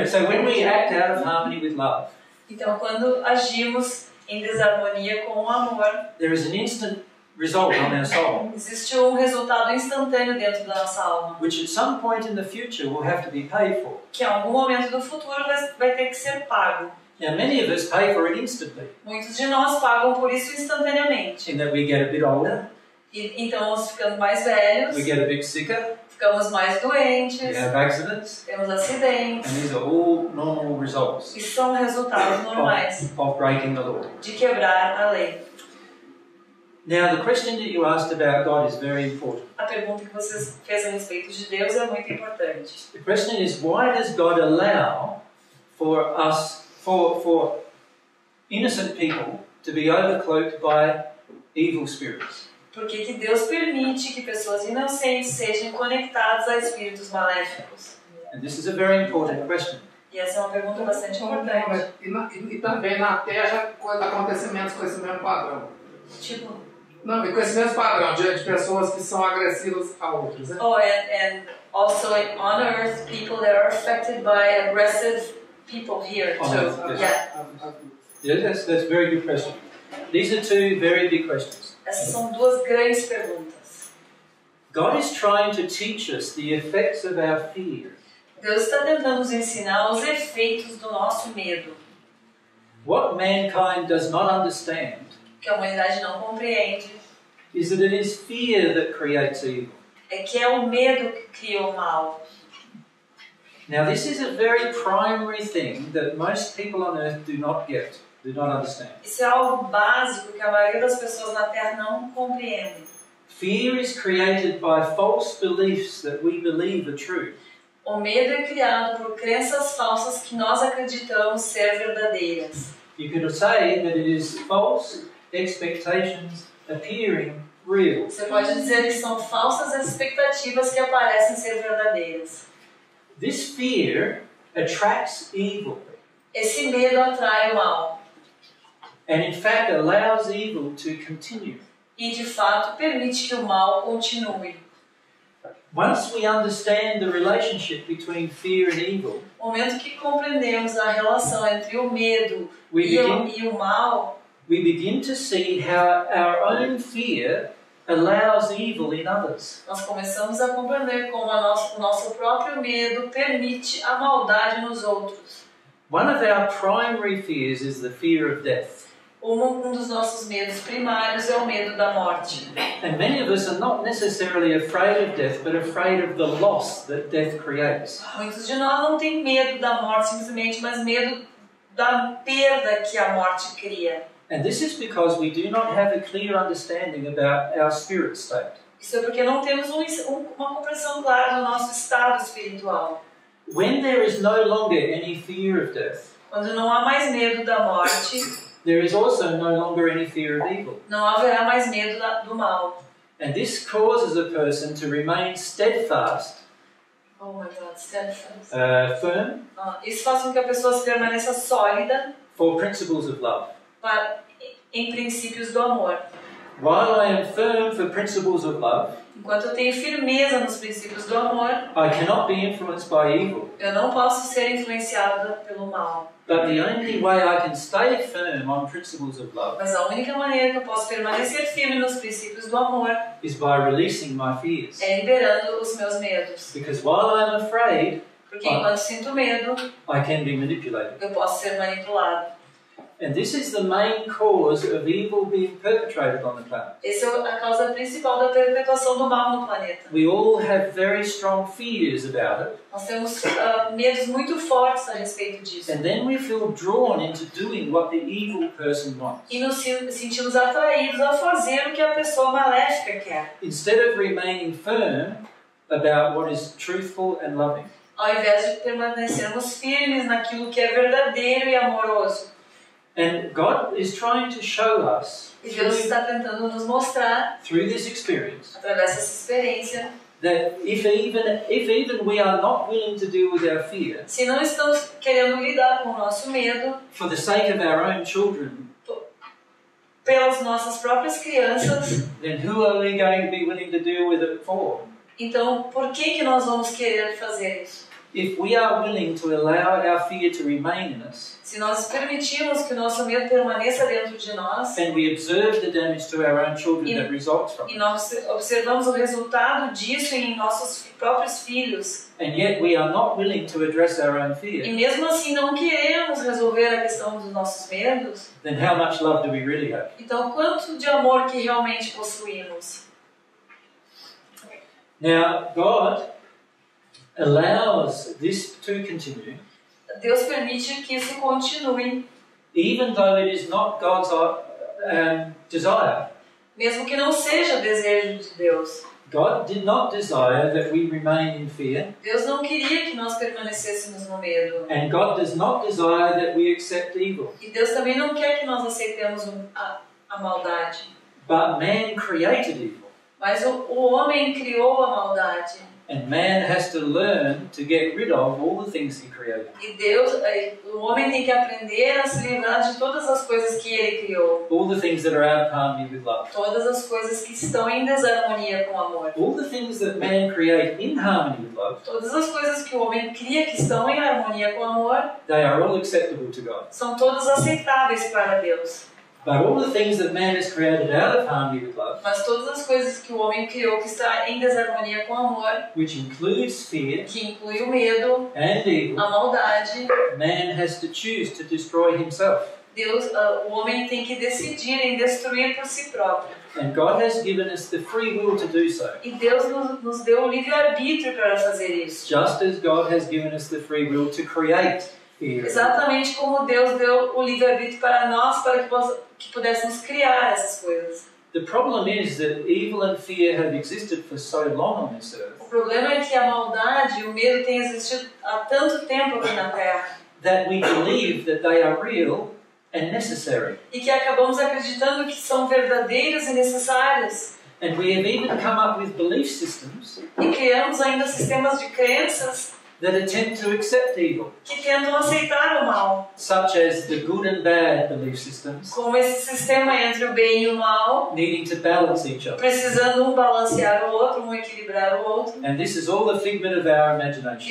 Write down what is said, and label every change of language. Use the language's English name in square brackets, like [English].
[English] When we act out of harmony with love, [Portuguese] então quando agimos em desarmonia com o amor, [English] there is an instant result on our soul. [Portuguese] Existe um resultado instantâneo dentro da nossa alma. [English] Which at some point in the future will have to be paid for. [Portuguese] Que em algum momento do futuro vai ter que ser pago. [English] Now many of us pay for it instantly. [Portuguese] Muitos de nós pagam por isso instantaneamente. [English] And then we get a bit older. [Portuguese] Então nós ficamos mais velhos. [English] We get a bit sicker. [Portuguese] Ficamos mais doentes. [English] We have accidents. [Portuguese] Temos acidentes. [English] And these are all normal results. [Portuguese] Isso são resultados normais. [English] Of breaking the law. [Portuguese] De quebrar a lei. [English] Now the question that you asked about God is very important. [Portuguese] A pergunta que você fez a respeito de Deus é muito importante. [English] The question is, why does God allow for innocent people to be overcloaked by evil spirits? [Portuguese] Por que que Deus permite que pessoas inocentes sejam conectadas a espíritos maléficos? [English] And this is a very important question. [Portuguese] E essa é uma pergunta bastante importante. E também na Terra, quando acontecimentos com esse mesmo padrão. Tipo? Não, e com esse mesmo padrão de pessoas que são agressivas a outras. Né? [English] Oh, and also on Earth, people that are affected by aggressive people here. Oh, yes, that's a very good question. These are two very big questions. [Portuguese] Essas são duas grandes perguntas. [English] God is trying to teach us the effects of our fear. [Portuguese] Deus está tentando nos ensinar os efeitos do nosso medo. [English] What mankind does not understand, [Portuguese] que a humanidade não compreende, [English] is that it is fear that creates evil. [Portuguese] É que é o medo que cria o mal. [English] Now this is a very primary thing that most people on earth do not understand. [Portuguese] Isso é algo básico que a maioria das pessoas na Terra não compreende. [English] Fear is created by false beliefs that we believe are true. [Portuguese] O medo é criado por crenças falsas que nós acreditamos ser verdadeiras. [English] You could say that it is false expectations appearing real. [Portuguese] Você pode dizer que são falsas expectativas que aparecem ser verdadeiras. [English] This fear attracts evil. [Portuguese] Esse medo atrai o mal. [English] And in fact allows evil to continue. [Portuguese] E de fato permite que o mal continue. [English] Once we understand the relationship between fear and evil, [Portuguese] no momento que compreendemos a relação entre o medo e o mal, [English] we begin to see how our own fear allows evil in others. [Portuguese] Nós começamos a compreender como o nosso próprio medo permite a maldade nos outros. [English] One of our primary fears is the fear of death. [Portuguese] Um dos nossos medos primários é o medo da morte. [English] And many of us are not necessarily afraid of death, but afraid of the loss that death creates. [Portuguese] Muitos de nós não têm medo da morte simplesmente, mas medo da perda que a morte cria. [English] And this is because we do not have a clear understanding about our spirit state. [Portuguese] Isso é porque não temos uma compreensão clara do nosso estado espiritual. [English] When there is no longer any fear of death, [Portuguese] quando não há mais medo da morte, [English] there is also no longer any fear of evil. [Portuguese] Não haverá mais medo do mal. [English] And this causes a person to remain steadfast. Oh my God, steadfast. Firm. [Portuguese] Isso faz com que a pessoa se permaneça sólida. [English] For principles of love. [Portuguese] Para em princípios do amor. [English] While I am firm for principles of love, [Portuguese] enquanto eu tenho firmeza nos princípios do amor, [English] I cannot be influenced by evil. [Portuguese] Eu não posso ser influenciada pelo mal. [English] But the only way I can stay firm on principles of love, [Portuguese] mas a única maneira que eu posso permanecer firme nos princípios do amor, [English] is by releasing my fears. [Portuguese] É liberando os meus medos. [English] Because while I'm afraid, [Portuguese] porque enquanto sinto medo, [English] I can be manipulated. [Portuguese] Eu posso ser manipulado. [English] And this is the main cause of evil being perpetrated on the planet. [Portuguese] Essa é a causa principal da perpetuação do mal no planeta. [English] We all have very strong fears about it. [Portuguese] Nós temos medos muito fortes a respeito disso. [English] And then we feel drawn into doing what the evil person wants. [Portuguese] E nos sentimos atraídos a fazer o que a pessoa maléfica quer. [English] Instead of remaining firm about what is truthful and loving. [Portuguese] Ao invés de permanecermos firmes naquilo que é verdadeiro e amoroso. [English] And God is trying to show us, [Portuguese] e Deus está tentando nos mostrar, [English] through this experience, [Portuguese] através dessa experiência, [English] that if even we are not willing to deal with our fear, [Portuguese] se não estamos querendo lidar com o nosso medo, [English] for the sake of our own children, [Portuguese] pelas nossas próprias crianças, [English] then who are we going to be willing to deal with it for? [Portuguese] Então, por que que nós vamos querer fazer isso? [English] If we are willing to allow our fear to remain in us, [Portuguese] se nós permitimos que o nosso medo permaneça dentro de nós, [English] and we observe the damage to our own children that results from it, [Portuguese] e nós observamos o resultado disso em nossos próprios filhos, [English] and yet we are not willing to address our own fear, [Portuguese] e mesmo assim não queremos resolver a questão dos nossos medos, [English] then how much love do we really have? [Portuguese] Então quanto de amor que realmente possuímos? [English] Now God allows this to continue. [Portuguese] Deus permite que isso continue. [English] Even though it is not God's desire. [Portuguese] Mesmo que não seja desejo de Deus. [English] God did not desire that we remain in fear. [Portuguese] Deus não queria que nós permanecêssemos no medo. [English] And God does not desire that we accept evil. [Portuguese] E Deus também não quer que nós aceitemos a maldade. [English] But man created evil. [Portuguese] Mas o homem criou a maldade. [English] And man has to learn to get rid of all the things he created. [Portuguese] E Deus, o homem tem que aprender a se livrar de todas as coisas que ele criou. [English] All the things that are out of harmony with love. [Portuguese] Todas as coisas que estão em desarmonia com amor. [English] All the things that man create in harmony with love. [Portuguese] Todas as coisas que o homem cria que estão em harmonia com amor. [English] They are all acceptable to God. [Portuguese] São todas aceitáveis para Deus. [English] But all the things that man has created out of harmony with love, [Portuguese] mas todas as coisas que o homem criou que está em desarmonia com amor, [English] which includes fear, [Portuguese] que inclui o medo, [English] and evil, [Portuguese] a maldade, [English] man has to choose to destroy himself. [Portuguese] Deus, o homem tem que decidir em destruir por si próprio. [English] And God has given us the free will to do so. [Portuguese] E Deus nos deu o livre arbítrio para fazer isso. [English] Just as God has given us the free will to create. [Portuguese] Exatamente como Deus deu o livre-arbítrio para nós, para que pudéssemos criar essas coisas. [English] The problem is that evil and fear have existed for so long on this earth. [Portuguese] O problema é que a maldade e o medo têm existido há tanto tempo aqui na Terra. [English] That we believe that they are real and necessary. [Portuguese] E que acabamos acreditando que são verdadeiras e necessárias. [English] And we have even come up with belief systems. [Portuguese] E criamos ainda sistemas de crenças. [English] That attempt to accept evil. [Portuguese] Que tentam aceitar o mal. [English] Such as the good and bad belief systems. [Portuguese] Como esse sistema entre o bem e o mal. [English] Needing to balance each other. [Portuguese] Precisando balancear o outro, equilibrar o outro. [English] And this is all a figment of our imagination.